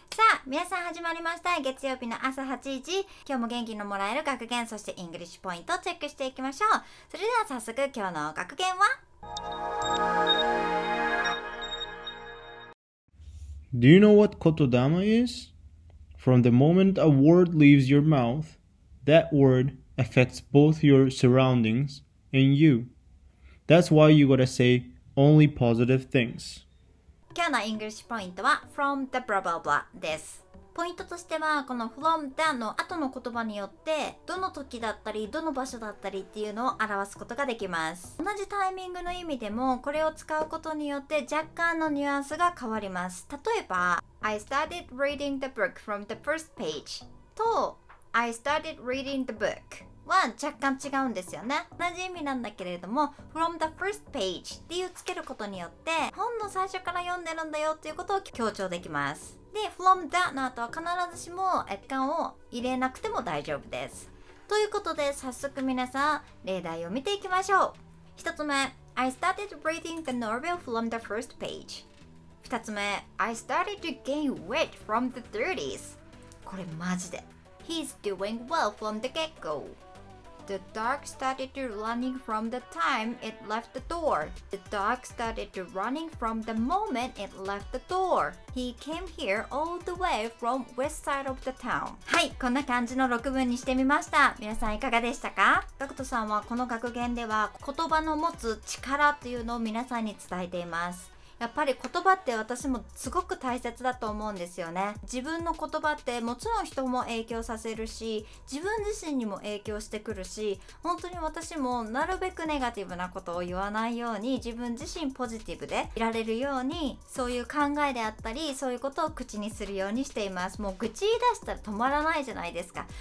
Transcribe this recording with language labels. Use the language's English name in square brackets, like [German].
[Japanese] さあ皆さん始まりました。月曜日の朝8時、今日も元気のもらえる学言、そしてイングリッシュポイントをチェックしていきましょう。それでは早速今日の学言は、 [English] Do you know what kotodama is? From the moment a word leaves your mouth, that word affects both your surroundings and you. That's why you gotta sayOnly positive things. [Japanese] 今日の English point は [English] from the blah blah blah [Japanese] です。ポイントとしてはこの from the の後の言葉によってどの時だったりどの場所だったりっていうのを表すことができます。同じタイミングの意味でもこれを使うことによって若干のニュアンスが変わります。例えば [English] I started reading the book from the first page と I started reading the book. [Japanese] は若干違うんですよね。同じ意味なんだけれども [English] from the first page [Japanese] っていうつけることによって本の最初から読んでるんだよっていうことを強調できます。で from the の後は必ずしも時間を入れなくても大丈夫です。ということで早速皆さん例題を見ていきましょう。 1つ目、 [English] I started reading the novel from the first page。 [Japanese] 2つ目、 [English] I started to gain weight from the 30s。 [Japanese] これマジで [English] He's doing well from the get goThe dog started to running from the time it left the door. The dog started to running from the moment it left the door. He came here all the way from west side of the town. [Japanese] はい、こんな感じの6文にしてみました。皆さんいかがでしたか？ GACKT さんはこの学言では言葉の持つ力というのを皆さんに伝えています。やっぱり言葉って私もすごく大切だと思うんですよね。自分の言葉ってもちろん人も影響させるし、自分自身にも影響してくるし、本当に私もなるべくネガティブなことを言わないように、自分自身ポジティブでいられるように、そういう考えであったりそういうことを口にするようにしています。もう愚痴言い出したら止まらないじゃないですか。